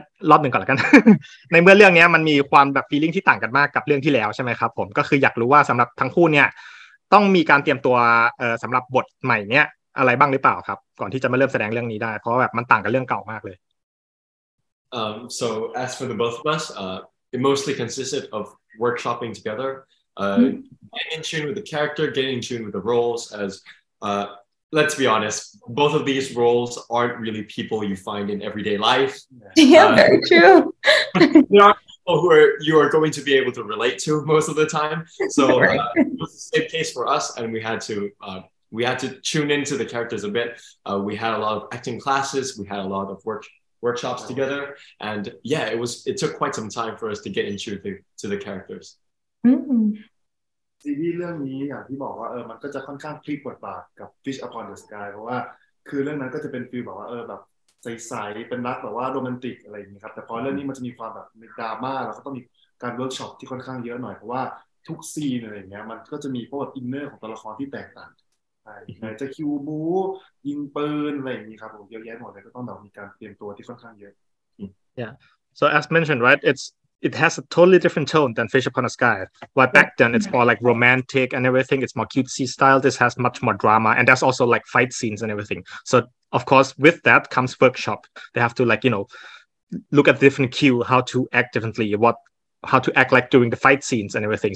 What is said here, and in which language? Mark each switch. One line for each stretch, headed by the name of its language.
Thai: รอบหนึ่งก่อนละกันในเมื่อเรื่องนี้มันมีความแบบฟีลลิ่งที่ต่างกันมากกับเรื่องที่แล้วใช่ไหมครับผมก็คืออยากรู้ว่าสำหรับทั้งคู่เนี่ยต้องมีการเตรียมตัวสำหรับบทใหม่เนี้ยอะไรบ้างหรือเปล่าครับก่อนที่จะมาเริ่มแสดงเรื่องนี้ได้เพราะแบบมันต่างกับเรื่องเก่ามากเลย
English: so as for the both of us it mostly consisted of workshopping together getting in tune with the character getting in tune with the roles as Let's be honest, both of these roles aren't really people you find in everyday life. Yeah, very true. They aren't people who you are going to be able to relate to most of the time. So right. It was the same case for us, and we had to tune into the characters a bit. We had a lot of acting classes. We had a lot of workshops together. And yeah, it took quite some time for us to get into the characters.
Thai: ซีรีส์เรื่องนี้อย่างที่บอกว่ามันก็จะค่อนข้างพลิกบทบาทกับ Fish Upon the Sky เพราะว่าคือเรื่องนั้นก็จะเป็นฟีลแบบว่าแบบใสๆเป็นรักแบบว่าโรแมนติกอะไรอย่างนี้ครับแต่พอเรื่องนี้มันจะมีความแบบดราม่าแล้วก็ต้องมีการเวิร์กช็อปที่ค่อนข้างเยอะหน่อยเพราะว่าทุกซีนอะไรอย่างเงี้ยมันก็จะมีพวกอินเนอร์ของตัวละครที่แตกต่างไหนจะคิวบู๊ยิงปืนอะไรอย่างนี้ครับผมเยอะแยะหมดเลยก็ต้องแบบมีการเตรียมตัวที่ค่อนข้างเยอะ
English: Yeah so as mentioned right It has a totally different tone than Fish Upon the Sky. While back then, it's more like romantic and everything. It's more cutesy style. This has much more drama. And there's also like fight scenes and everything. So, of course, with that comes workshop. They have to like, you know, look at different cue, how to act differently, how to act like during the fight scenes and everything.